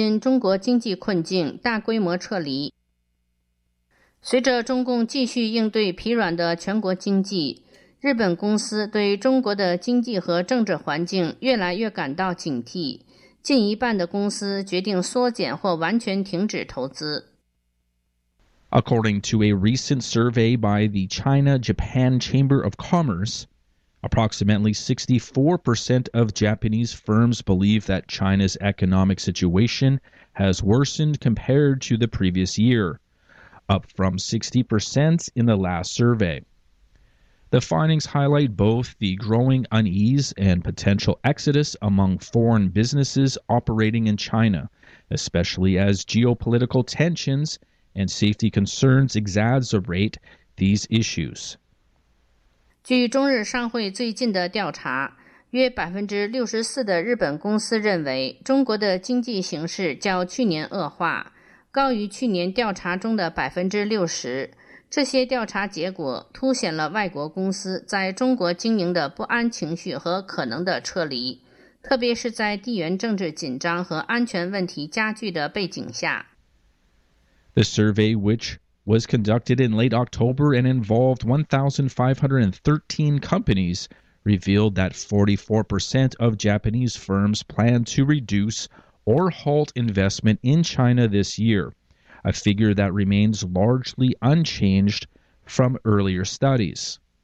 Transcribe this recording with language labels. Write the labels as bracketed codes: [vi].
[zh] 日本公司因中国经济困境大规模撤离。随着中共继续应对疲软的全国经济， 日本公司对中国的经济和政治环境越来越感到警惕， 近一半的公司决定缩减或完全停止投资。 [en] According to a recent survey by the China-Japan Chamber of Commerce, approximately 64% of Japanese firms believe that China's economic situation has worsened compared to the previous year, up from 60% in the last survey. The findings highlight both the growing unease and potential exodus among foreign businesses operating in China, especially as geopolitical tensions and safety concerns exacerbate these issues. [zh] 据中日商会最近的调查， 64%的日本公司认为中国的经济形势较去年恶化， 高于去年调查中的60%。这些调查结果凸显了外国公司在中国经营的不安情绪和可能的撤离， 特别是在地缘政治紧张和安全问题加剧的背景下。 [en] The survey, which was conducted in late October and involved 1,513 companies, revealed that 44% of Japanese firms plan to reduce or halt investment in China this year, a figure that remains largely unchanged from earlier studies.